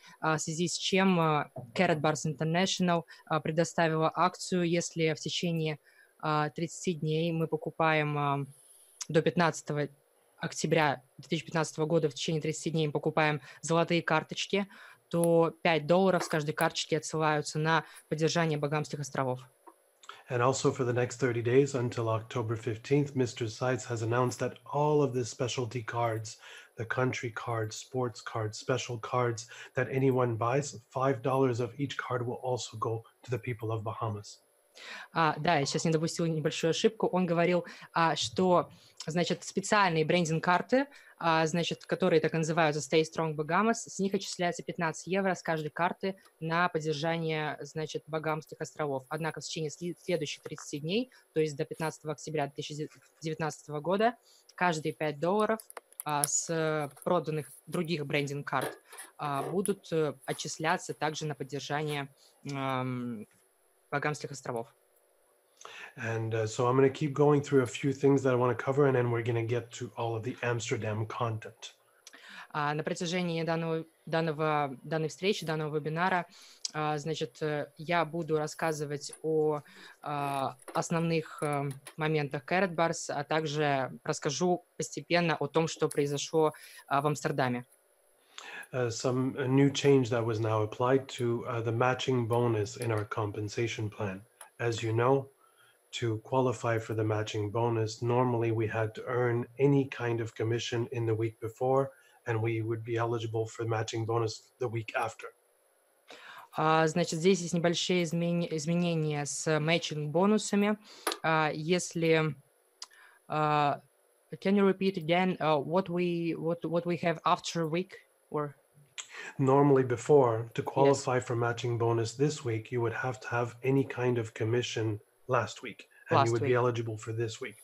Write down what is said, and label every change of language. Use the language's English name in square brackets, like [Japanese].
[Russian] В связи с чем Carrot Bars International предоставила акцию, если в течение 30 дней мы покупаем до 15 октября 2015 года, в течение 30 дней мы покупаем золотые карточки, то $5 с каждой карточки отсылаются на поддержание Багамских островов. [English] And also for the next 30 days until October 15th, Mr. Seitz has announced that all of the specialty cards, the country cards, sports cards, special cards that anyone buys, $5 of each card will also go to the people of Bahamas. [Russian] Да, я сейчас не допустил небольшую ошибку. Он говорил, что, значит, специальные брендинг-карты, значит, которые так называются Stay Strong Bahamas, с них отчисляется €15 с каждой карты на поддержание, значит, Багамских островов. Однако в течение следующих 30 дней, то есть до 15 октября 2019 года, каждые $5 с проданных других брендинг-карт будут отчисляться также на поддержание Багамских островов. [English] And so I'm going to keep going through a few things that I want to cover, and then we're going to get to all of the Amsterdam content. [Russian] На протяжении данной встречи, данного вебинара, значит, я буду рассказывать о основных моментах Carrot Bars, а также расскажу постепенно о том, что произошло в Амстердаме. [English] Some a new change that was now applied to the matching bonus in our compensation plan. As you know, to qualify for the matching bonus, normally we had to earn any kind of commission in the week before, and we would be eligible for the matching bonus the week after. [Russian] Значит, здесь есть небольшие изменения с matching бонусами. Если [English] Can you repeat again what we have after a week or? Normally before, to qualify for matching bonus this week, you would have to have any kind of commission last week. And last you would week. Be eligible for this week.